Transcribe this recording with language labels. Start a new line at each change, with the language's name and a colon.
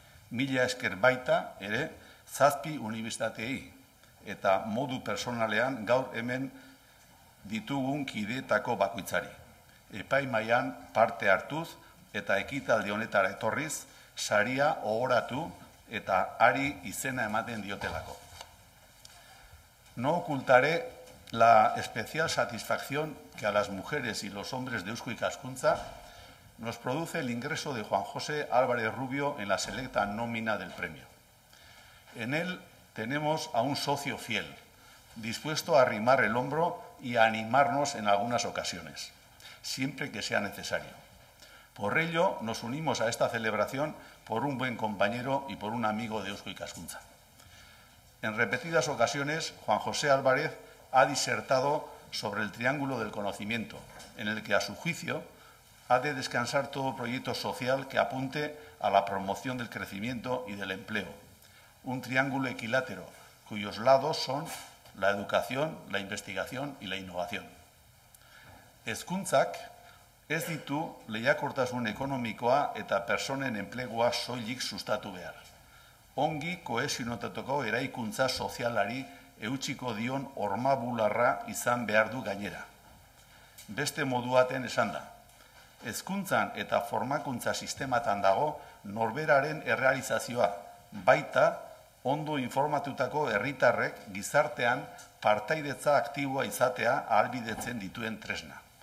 Basque: Mila esker baita ere 7 unibertsitateei eta modu personalean gaur hemen ditugun kideetako bakoitzari. Epaimaian parte hartuz eta ekitaldi honetara etorriz saria ohoratu eta ari izena ematen diotelako.
Spanish: No ocultaré la especial satisfacción que a las mujeres y los hombres de Eusko Ikaskuntza nos produce el ingreso de Juan José Álvarez Rubio en la selecta nómina del premio. En él tenemos a un socio fiel, dispuesto a arrimar el hombro y a animarnos en algunas ocasiones, siempre que sea necesario. Por ello, nos unimos a esta celebración por un buen compañero y por un amigo de Eusko Ikaskuntza. En repetidas ocasiones, Juan José Álvarez ha disertado sobre el triángulo del conocimiento, en el que, a su juicio, ha de descansar todo proyecto social que apunte a la promoción del crecimiento y del empleo. Un triángulo equilátero, cuyos lados son la educación, la investigación y la innovación.
Basque: Hezkuntzak, ez ditu lehiakortasun ekonomikoa eta personen enplegua soilik sustatu behar. Ongi kohesionatutako eraikuntza sozialari eutsiko dion hormabularra izan behar du gainera. Beste modu baten esanda, hezkuntzan eta formakuntza sistematan dago norberaren errealizazioa, baita ondo informatutako herritarrek gizartean partaidetza aktiboa izatea ahalbidetzen dituen tresna.